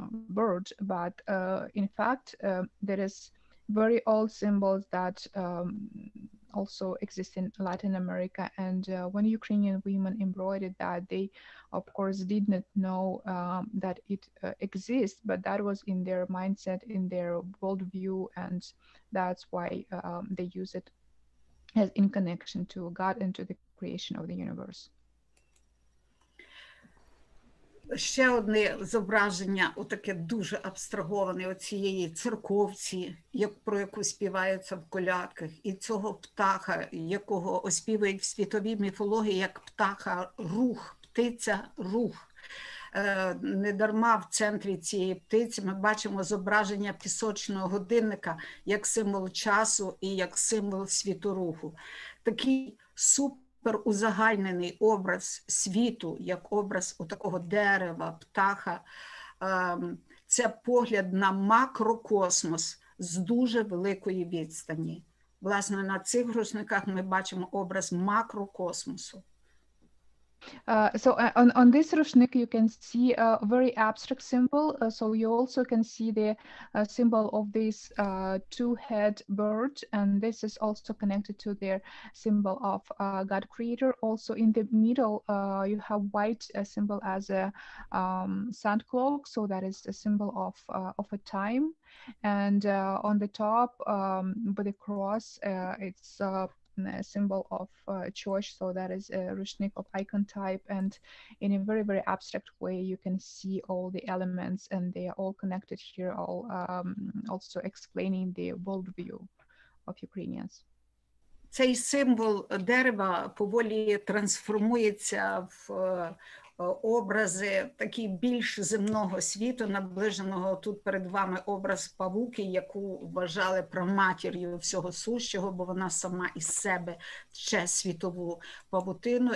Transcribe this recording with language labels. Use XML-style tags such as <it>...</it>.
<en>bird, but in fact there is very old symbols that also exist in Latin America, and when Ukrainian women embroidered that, they of course did not know that it exists, but that was in their mindset, in their worldview, and that's why they use it as in connection to God and to the creation of the universe.</en> <uk>Ще одне зображення, отаке дуже абстраговане, оцієї церковці, як про яку співаються в колядках, і цього птаха, якого оспівують в світовій міфології як птаха рух, птиця рух. Недарма в центрі цієї птиці ми бачимо зображення пісочного годинника як символ часу і як символ світоруху. Такий узагальнений образ світу, як образ отакого дерева, птаха, це погляд на макрокосмос з дуже великої відстані. Власне, на цих рушниках ми бачимо образ макрокосмосу.</uk> <en>So on this rushnik you can see a very abstract symbol, so you also can see the symbol of this two-head bird, and this is also connected to their symbol of God Creator. Also in the middle you have white symbol as a sand clock, so that is a symbol of a time, and on the top with the cross it's a symbol of church, so that is a rushnik of icon type, and in a very, very abstract way you can see all the elements, and they are all connected here, all also explaining the worldview of Ukrainians.</en> <uk>цей символ дерева поволі трансформується в образи такі більш земного світу, наближеного. Тут перед вами образ павуки, яку вважали праматір'ю всього сущого, бо вона сама із себе тче світову павутину.</uk>